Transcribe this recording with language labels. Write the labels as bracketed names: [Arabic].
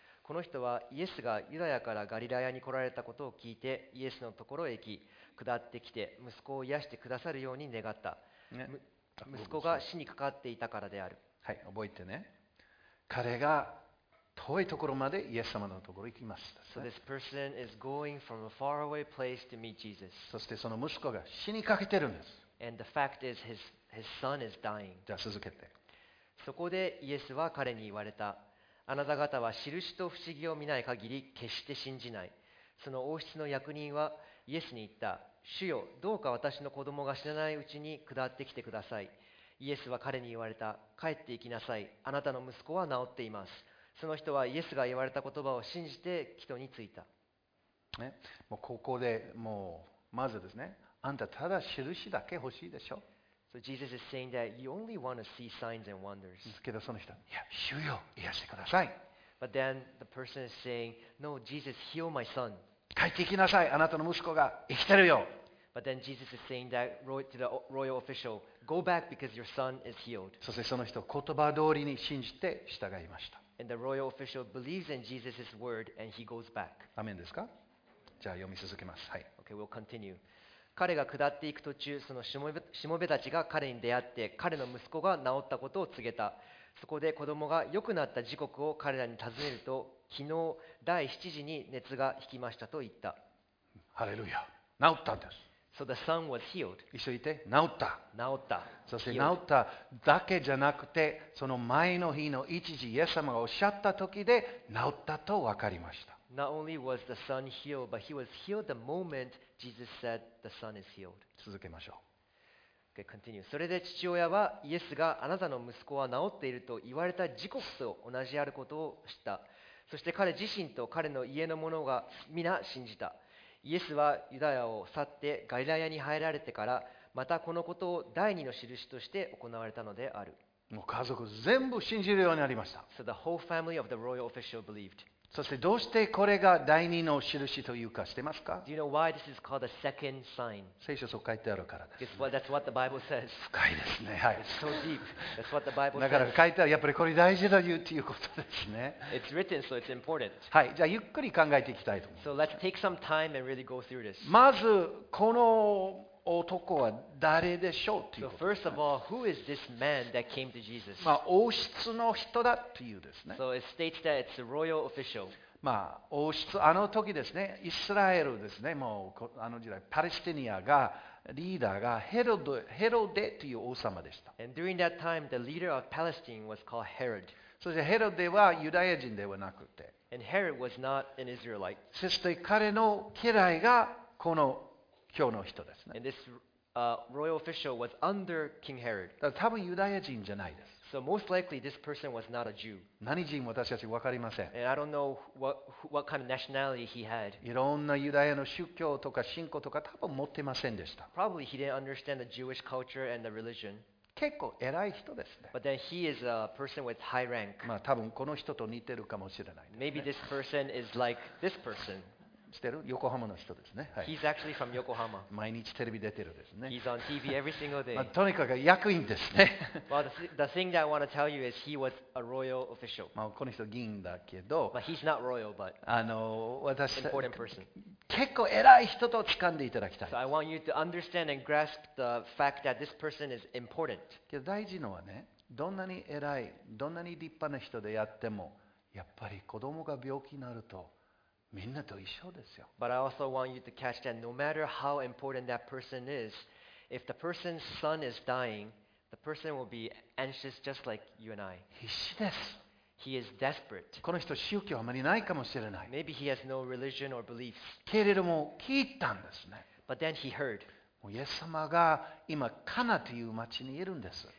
[Japanese] この人はイエスがユダヤからガリラヤに来られたことを聞いて、イエスのところへ行き、下ってきて息子を癒してくださるように願った。ね、息子が死にかかっていたからである。はい、覚えてね。彼が遠いところまでイエス様のところに行きました、ね。 [English] So this person is going from a faraway place to meet Jesus. [Japanese] そしてその息子が死にかけてるんです。 [English] And the fact is his son is dying. [Japanese] じゃあ続けて。そこでイエスは彼に言われた。あなた方は印と不思議を見ない限り決して信じない。その王室の役人はイエスに言った。主よ、どうか私の子供が死なないうちに下ってきてください。イエスは彼に言われた。帰って行きなさい。あなたの息子は治っています。その人はイエスが言われた言葉を信じて帰途に着いた。ね、もうここでもうまずですね。あんたただ印だけ欲しいでしょ。 [English] So Jesus is saying that you only want to see signs and wonders. [Japanese] ですけどその人、いや、主よ、癒してください。 [English] But then the person is saying, No, Jesus, heal my son. [Japanese] 帰ってきなさい、あなたの息子が生きてるよ。 [English] But then Jesus is saying that to the royal official, Go back because your son is healed. [Japanese] そしてその人、言葉通りに信じて従いました。 [English] And the royal official believes in Jesus' word and he goes back. [Japanese] アメンですか？じゃあ読み続けます。はい。 [English] Okay, we'll continue. [Japanese] 彼が下っていく途中、そのしもべたちが彼に出会って、彼の息子が治ったことを告げた。そこで子供が良くなった時刻を彼らに尋ねると、昨日第7時に熱が引きましたと言った。ハレルヤ。治ったんです。 [English] So the son was healed. [Japanese] 一緒にいて、治った。治った。そして治っただけじゃなくて、その前の日の1時、イエス様がおっしゃった時で治ったと分かりました。 [English] Not only was the son healed, but he was healed the moment Jesus said the son is healed. [Japanese] 続けましょう。 [English] Okay, continue. [Japanese] それで父親はイエスがあなたの息子は治っていると言われた時刻と同じあることを知った。そして彼自身と彼の家の者が皆信じた。イエスはユダヤを去ってガリラヤに入られてからまたこのことを第二の印として行われたのである。もう家族全部信じるようになりました。 [English] So the whole family of the royal official believed. [Japanese] そしてどうしてこれが第二の印というか知ってますか？ [English] Do you know why this is called a second sign? [Japanese] 聖書そう書いてあるからです、 [English] ね、That's what the Bible says. [Japanese] 深いですね、はい、 [English] It's so deep. That's what the Bible says. [Japanese] だから書いてあるやっぱりこれ大事だよということですね。 [English] It's written, so it's important. [Japanese] はい、じゃあゆっくり考えていきたいと思います。 [English] So let's take some time and really go through this. [Japanese] まずこの男は誰でしょうということ。 [English] So first of all, who is this man that came to Jesus? [Japanese] まあ王室の人だというですね。 [English] So it states that it's a royal official. [Japanese] まあ王室あの時ですね、イスラエルですね、もうあの時代パレスティニアがリーダーがヘロデという王様でした。 [English] And during that time, the leader of Palestine was called Herod. [Japanese] そしてヘロデはユダヤ人ではなくて。 [English] And Herod was not an Israelite. [Japanese] そして彼の家来がこの今日の人ですね。 [English] And this royal official was under King Herod. [Japanese] だから多分ユダヤ人じゃないです。 [English] So most likely this person was not a Jew. [Japanese] 何人も私たち分かりません。 [English] And I don't know what kind of nationality he had. [Japanese] いろんなユダヤの宗教とか信仰とか多分持ってませんでした。 [English] Probably he didn't understand the Jewish culture and the religion. [Japanese] 結構偉い人ですね。 [English] But then he is a person with high rank. [Japanese] まあ多分この人と似てるかもしれないですね。 [English] Maybe this person is like this person. [Japanese] してる横浜の人ですね、はい、 [English] He's actually from Yokohama. [Japanese] 毎日テレビ出てるですね。 [English] He's on TV every single day. [Japanese] まあ、とにかく役員ですね。 [English] Well, the thing that I want to tell you is he was a royal official. [Japanese] まあ、この人議員だけど、 [English] But he's not royal, but important person. [Japanese] 結構偉い人と掴んでいただきたい。 [English] So I want you to understand and grasp the fact that this person is important. [Japanese] けど大事のはね、どんなに偉い、どんなに立派な人でやっても、やっぱり子供が病気になると、みんなと一緒ですよ。 [English] But I also want you to catch that no matter how important that person is, if the person's son is dying, the person will be anxious just like you and I. [Japanese] 必死です。 [English] He is desperate. [Japanese] この人宗教あまりないかもしれない。 [English] Maybe he has no religion or beliefs. [Japanese] けれども聞いたんですね。 [English] But then he heard. [Japanese] もうイエス様が今カナという町にいるんです。